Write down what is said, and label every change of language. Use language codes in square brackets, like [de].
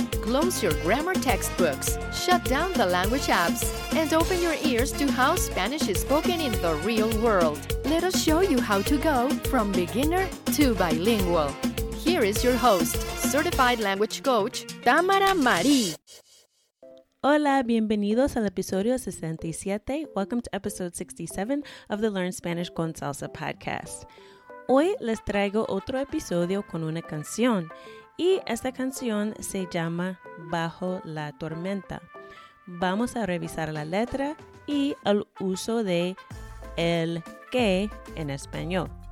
[en] Close your grammar textbooks, shut down the language apps, and open your ears to how Spanish is spoken in the real world. Let us show you how to go from beginner to bilingual. Here is your host, certified language coach, Tamara Marie. [es] Hola, bienvenidos al episodio 67. [en] Welcome to episode 67 of the Learn Spanish con Salsa podcast. [es] Hoy les traigo otro episodio con una canción. Y esta canción se llama Bajo la Tormenta. Vamos a revisar la letra y el uso de el qué en español.